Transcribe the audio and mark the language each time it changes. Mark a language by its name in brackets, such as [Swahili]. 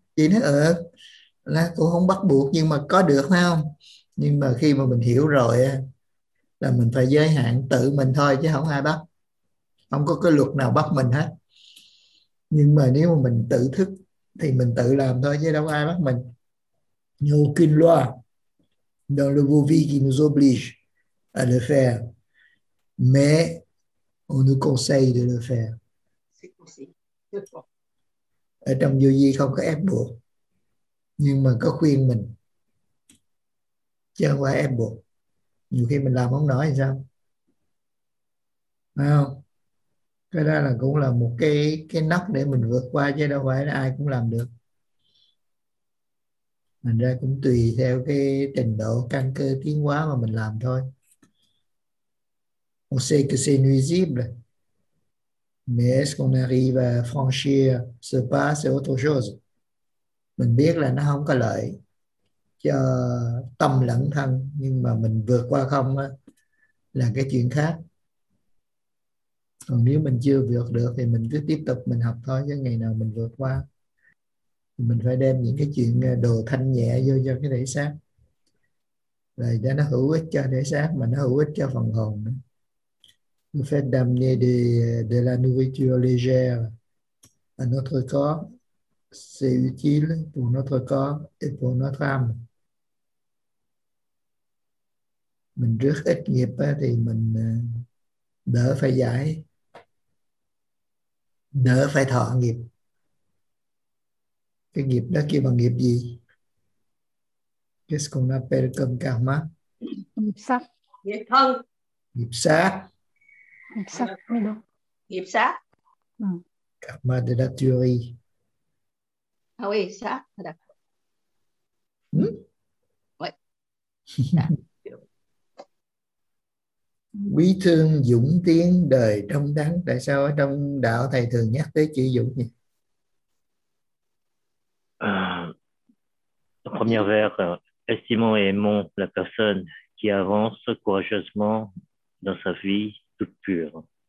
[Vietnamese] Chị nói là cũng không bắt buộc, nhưng mà có được phải không? Nhưng mà khi mà mình hiểu rồi là mình phải giới hạn tự mình thôi, chứ không ai bắt, không có cái luật nào bắt mình hết. Nhưng mà nếu mà mình tự thức thì mình tự làm thôi, chứ đâu có ai bắt mình. [French] N'y a aucune loi dans le vie qui nous oblige à le faire, mais on nous conseille de le faire. [Vietnamese] Ở trong vô vi không có ép buộc, nhưng mà có khuyên mình, chứ không phải ép buộc. Nhiều khi mình làm không nổi thì sao? Phải không? Cái đó là cũng là một cái nóc để mình vượt qua, chứ đâu phải là ai cũng làm được. Thành ra cũng tùy theo cái trình độ căn cơ tiến hóa mà mình làm thôi. [French] On sait que c'est nuisible, mais est-ce qu'on arrive à franchir ce pas, c'est autre chose. [Vietnamese] Mình biết là nó không có lợi cho tâm lẫn thân, nhưng mà mình vượt qua không đó, là cái chuyện khác. Còn nếu mình chưa vượt được thì mình cứ tiếp tục mình học thôi, chứ ngày nào mình vượt qua thì mình phải đem những cái chuyện đồ thanh nhẹ vô cho cái thể xác, rồi để nó hữu ích cho thể xác mà nó hữu ích cho phần hồn. [French] Le fait d'amener de la nourriture légère à notre corps, c'est utile pour notre corps et pour notre âme. [Vietnamese] Mình rước ít nghiệp thì mình đỡ phải giải, đỡ phải thọ nghiệp. Cái nghiệp đó kêu bằng nghiệp gì? [French] Qu'est-ce qu'on appelle comme karma? [Vietnamese] Nghiệp sát. Nghiệp thân. Nghiệp sát. Nghiệp sát. Nghiệp sát. [French] Karma de la tuerie. Ah oui, ça, d'accord. Oui. [Vietnamese] Quý thương dũng tiến đời trong đắng. Tại sao ở trong đạo thầy thường nhắc tới chữ dũng nhỉ? [French] Premier vers, estimons et aimons la personne qui avance courageusement dans sa vie toute pure.